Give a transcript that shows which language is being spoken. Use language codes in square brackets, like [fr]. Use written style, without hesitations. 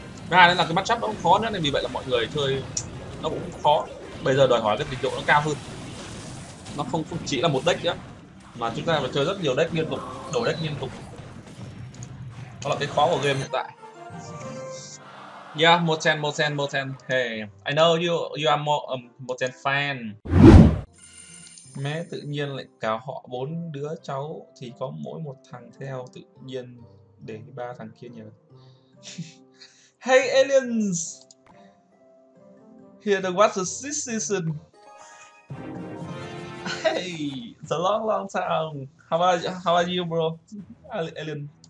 [vi] Thứ hai là cái matchup nó cũng khó nữa, nên vì vậy là mọi người chơi nó cũng khó. Bây giờ đòi hỏi cái trình độ nó cao hơn. Nó không chỉ là một deck nữa, mà chúng ta phải chơi rất nhiều deck liên tục, đổi deck liên tục. Đó là cái khó của game hiện tại. [en] Yeah, Moten. Hey, I know you are more Moten fan. [vi] Mẹ tự nhiên lại cả họ bốn đứa cháu thì có mỗi một thằng theo, tự nhiên để ba thằng kia nhờ. [en] Hey aliens, here to watch the sixth season. Hey, it's a long, long time. How are you, bro? Alien.